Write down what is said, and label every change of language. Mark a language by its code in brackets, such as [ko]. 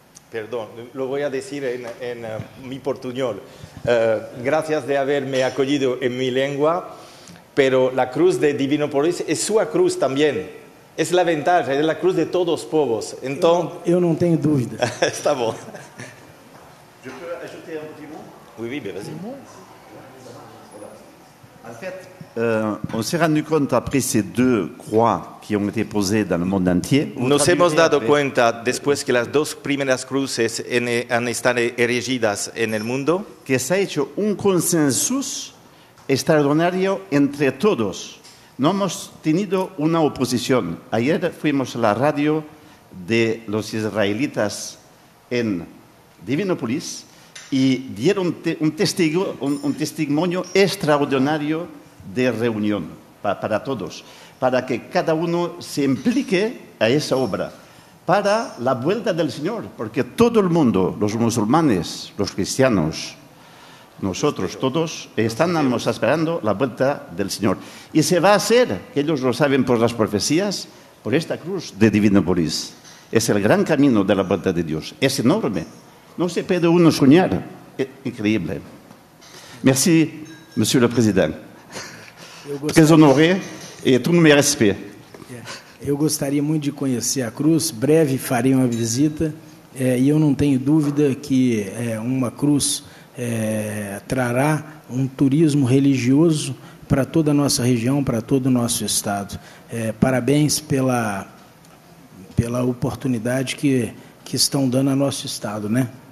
[es] Perdón, lo voy a decir en mi portuñol. Gracias de haberme acogido en mi lengua, pero la cruz de Divinópolis es su cruz también. Es la ventaja, es la cruz de todos los pueblos. Entonces, yo no tengo dúvida. [pt] Está bom. [fr] Je peux ajouter un petit mot? Oui, bien, vas-y. En fait, on s'est rendu compte après ces deux croix qui ont été posées dans le monde entier. [es] Nos hemos dado cuenta después que las dos primeras cruces han estado erigidas en el mundo. Que se ha hecho un consenso extraordinario entre todos. No hemos tenido una oposición. Ayer fuimos a la radio de los israelitas en Divinópolis. Y dieron un testimonio extraordinario de reunión para todos, para que cada uno se implique a esa obra, para la vuelta del Señor, porque todo el mundo, los musulmanes, los cristianos, nosotros todos, estamos esperando la vuelta del Señor. Y se va a hacer, que ellos lo saben por las profecías, por esta cruz de Divinópolis. Es el gran camino de la vuelta de Dios, es enorme. No se puede uno soñar. Increíble. [fr] Merci, monsieur le président. Très honoré et tout mon respect. [pt] Eu gostaria muito de conhecer a cruz. Breve farei uma visita. E eu não tenho dúvida que uma cruz trará um turismo religioso para toda a nossa região, para todo o nosso estado. Parabéns pela oportunidade que estão dando ao nosso estado, né?